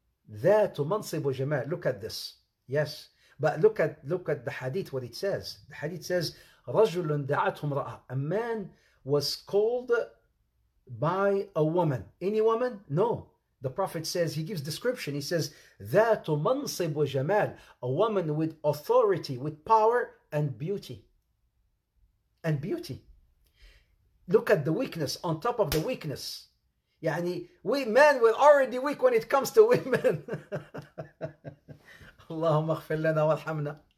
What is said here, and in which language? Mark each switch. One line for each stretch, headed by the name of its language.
Arabic: ذَاتُ مَنْصِبٍ وَجَمَالٍ.
English: Look at this. Yes, but look at the hadith, what it says. The hadith says,
Arabic: رَجُلٌ دَعَتْهُمْ رَأَى.
English: A man was called by a woman. Any woman? No. The Prophet says, he gives description.
Arabic: He says, ذَاتُ مَنْصِبُ وَجَمَالٍ.
English: A woman with authority, with power and beauty. And beauty. Look at the weakness on top of the weakness. يعني, we men were already weak when it comes to women.
Arabic: اللهم اغفر لنا وارحمنا.